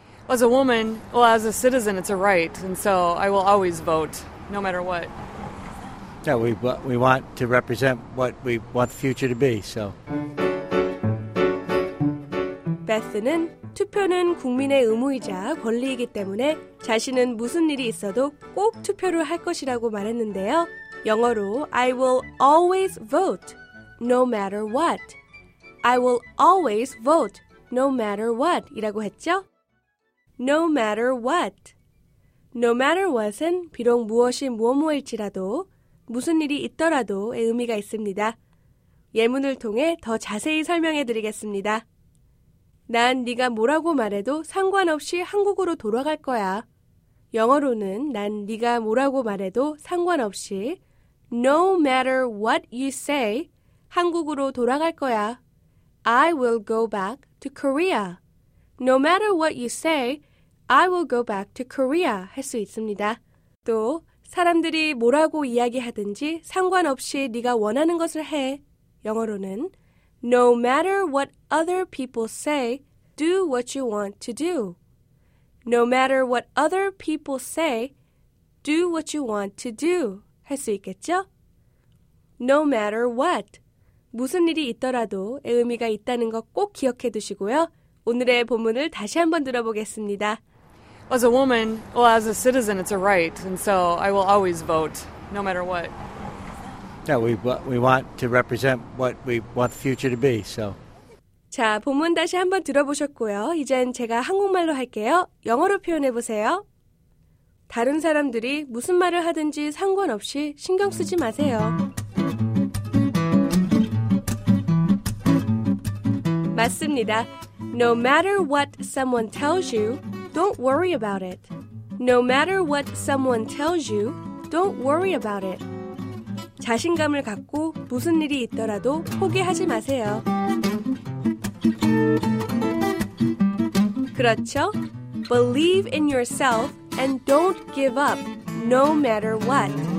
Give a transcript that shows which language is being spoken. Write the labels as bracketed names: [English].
[English] As a woman, well, as a citizen, it's a right, and so I will always vote, no matter what. Yeah, we want to represent what we want the future to be, so. [Korean] Beth는 투표는 국민의 의무이자 권리이기 때문에 자신은 무슨 일이 있어도 꼭 투표를 할 것이라고 말했는데요. [English] 영어로 I will always vote, no matter what. I will always vote, no matter what, [Korean] 이라고 했죠? [English] No matter what. No matter what [Korean] 은 비록 무엇이 무엇일지라도 무슨 일이 있더라도의 의미가 있습니다. 예문을 통해 더 자세히 설명해 드리겠습니다. 난 네가 뭐라고 말해도 상관없이 한국으로 돌아갈 거야. 영어로는 난 네가 뭐라고 말해도 상관없이 [English] No matter what you say, [Korean] 한국으로 돌아갈 거야. [English] I will go back to Korea. No matter what you say, I will go back to Korea [Korean] 할 수 있습니다. 또 사람들이 뭐라고 이야기하든지 상관없이 네가 원하는 것을 해. [English] 영어로는 No matter what other people say, do what you want to do. No matter what other people say, do what you want to do [Korean] 할 수 있겠죠? [English] No matter what, [Korean] 무슨 일이 있더라도의 의미가 있다는 거 꼭 기억해 두시고요. 오늘의 본문을 다시 한번 들어보겠습니다. [English] As a woman, well, as a citizen, it's a right, and so I will always vote, no matter what. Yeah, we want to represent what we want the future to be, so. [Korean] 자, 본문 다시 한번 들어보셨고요. 이젠 제가 한국말로 할게요. 영어로 표현해 보세요. 다른 사람들이 무슨 말을 하든지 상관없이 신경 쓰지 마세요. 맞습니다. [English] No matter what someone tells you, Don't worry about it. No matter what someone tells you, don't worry about it. [Korean] 자신감을 갖고 무슨 일이 있더라도 포기하지 마세요. 그렇죠? [English] Believe in yourself and don't give up, no matter what.